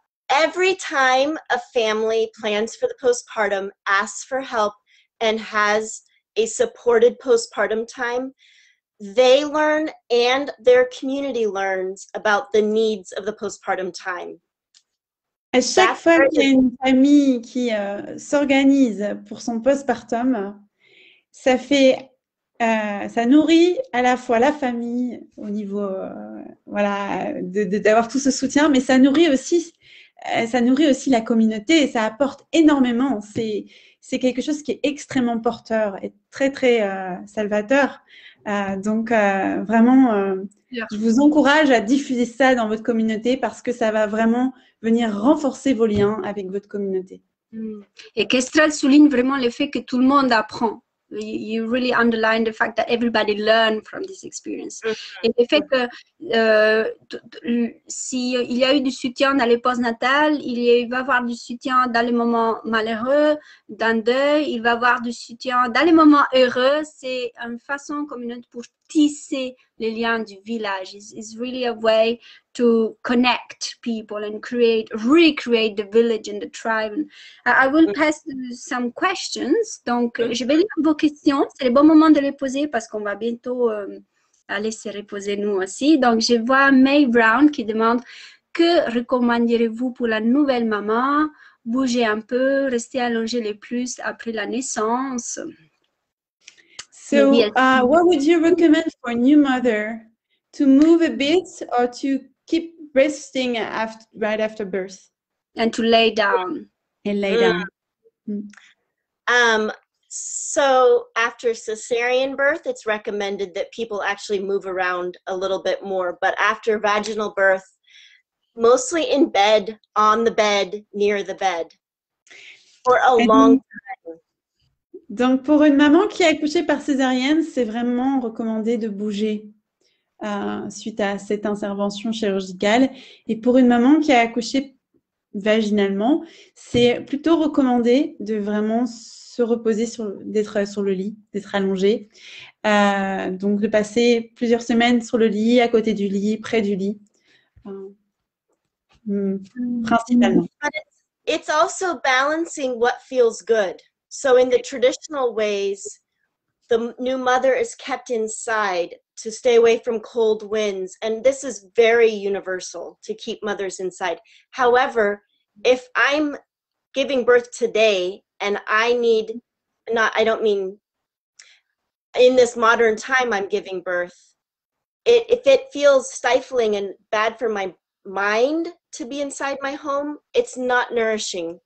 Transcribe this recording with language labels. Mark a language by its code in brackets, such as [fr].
[en] Every time a family plans for the postpartum, asks for help, and has a supported postpartum time, they learn and their community learns about the needs of the postpartum time. [fr] À chaque fois qu'il y a une famille qui s'organise pour son postpartum, ça fait ça nourrit à la fois la famille au niveau voilà d'avoir tout ce soutien, mais ça nourrit aussi la communauté et ça apporte énormément. C'est quelque chose qui est extrêmement porteur et très très salvateur. Donc vraiment, je vous encourage à diffuser ça dans votre communauté parce que ça va vraiment venir renforcer vos liens avec votre communauté. Et Kestrel souligne vraiment le fait que tout le monde apprend. [en] You really underline the fact that everybody learn from this experience. [fr] Et le fait que s'il y a eu du soutien dans les pauses natales, il va y avoir du soutien dans les moments malheureux, dans le deuil, il va y avoir du soutien dans les moments heureux. C'est une façon commune pour tisser les liens du village. [en] It's really a way to connect people and recreate the village and the tribe. And I will pass some questions. [fr] Donc, je vais lire vos questions. C'est le bon moment de les poser parce qu'on va bientôt aller se reposer nous aussi. Donc, je vois May Brown qui demande « Que recommanderez-vous pour la nouvelle maman? Bouger un peu, rester allongée le plus après la naissance? » [en] So, what would you recommend for a new mother? To move a bit or to keep resting right after birth? And to lay down. And lay down. So, after cesarean birth, it's recommended that people actually move around a little bit more. But after vaginal birth, mostly in bed, on the bed, near the bed, for a long time. [fr] Donc, pour une maman qui a accouché par césarienne, c'est vraiment recommandé de bouger suite à cette intervention chirurgicale. Et pour une maman qui a accouché vaginalement, c'est plutôt recommandé de vraiment se reposer, d'être sur le lit, d'être allongée. Donc, de passer plusieurs semaines sur le lit, à côté du lit, près du lit, principalement. [en] It's also balancing what feels good. So in the traditional ways, the new mother is kept inside to stay away from cold winds. And this is very universal, to keep mothers inside. However, if I'm giving birth today and I need, not, I don't mean in this modern time I'm giving birth, if it feels stifling and bad for my mind to be inside my home, it's not nourishing.